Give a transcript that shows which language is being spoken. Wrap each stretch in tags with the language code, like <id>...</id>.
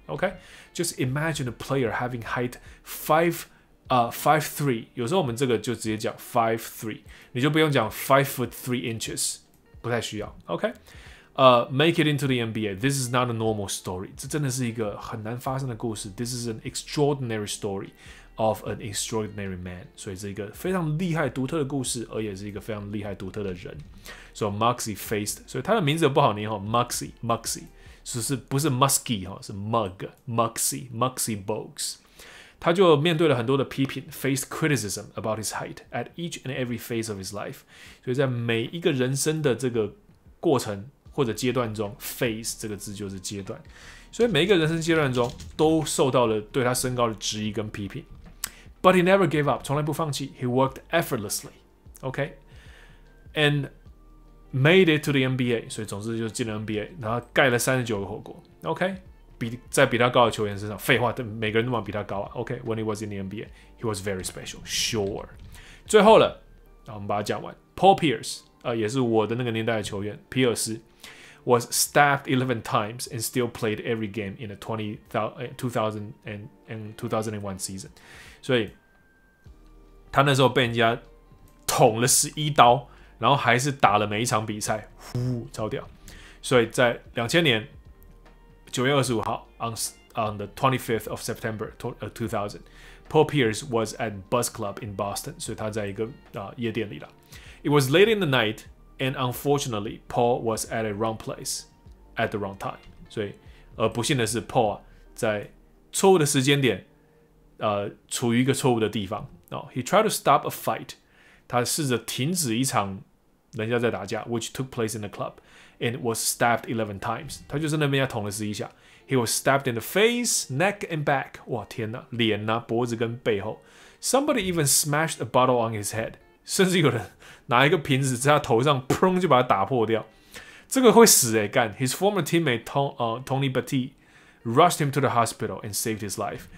<en>Okay， just imagine a player having height 5'3",</en> <zh>有时候我们这个就直接讲 5'3", 你就不用讲 5'3", 不太需要。</zh> <en>OK， make it into the NBA. This is not a normal story.</en> <zh>这真的是一个很难发生的故事。</zh> <en>This is an extraordinary story of an extraordinary man.</en> <zh>所以是一个非常厉害独特的故事，而也是一个非常厉害独特的人。</zh> <en>So Muggsy faced.</en> <zh>所以他的名字不好念哈 ，Muggsy， 是不是 Musky 哈？是 Muggsy Bogues。他就面对了很多的批评</zh> <en>，faced criticism about his height at each and every phase of his life。</en> <zh>所以在每一个人生的这个过程或者阶段中 ，phase 这个字就是阶段。所以每一个人生阶段中都受到了对他身高的质疑跟批评。</zh> <en>But he never gave up，</en> <zh>从来不放弃。</zh> <en>He worked effortlessly， OK， and made it to the NBA。</en> <zh>所以总之就进了 NBA， 然后盖了39个火锅 ，OK。在比他高的球员身上，废话，每个人都比他高啊。</zh> <en>OK， when he was in the NBA， he was very special， sure。</en> <zh>最后了，我们把它讲完。</zh> <en>Paul Pierce，</en> <zh>也是我的那个年代的球员，</zh> <en>皮尔斯 ，was stabbed 11 times and still played every game in the 2000 and 2001 season。</en> <zh>所以，他那时候被人家捅了11刀，然后还是打了每一场比赛，呼，超屌。所以在2000年。9月25号</zh> <en>on the 25th of September 2000 Paul Pierce was at Buzz Club in Boston,</en> <zh>所以他在一个、夜店里了。</zh> <en>It was late in the night, and unfortunately, Paul was at a wrong place at the wrong time.</en> <zh>所以、不幸的是 Paul 在错误的时间点、处于一个错误的地方。</zh> <en>He tried to stop a fight.</en> <zh>他试着停止一场人家在打架</zh> <en>which took place in the club, and was stabbed 11 times.</en> <zh>他就在那边要捅了十一下。</zh> <en>He was stabbed in the face, neck, and back.</en> <zh>哇天哪，脸啊，脖子跟背后。</zh> <en>Somebody even smashed a bottle on his head.</en> <zh>甚至有人拿一个瓶子在他头上，砰就把他打破掉。这个会死欸，干。</zh> <en>His former teammate Tony Batty rushed him to the hospital and saved his life.</en>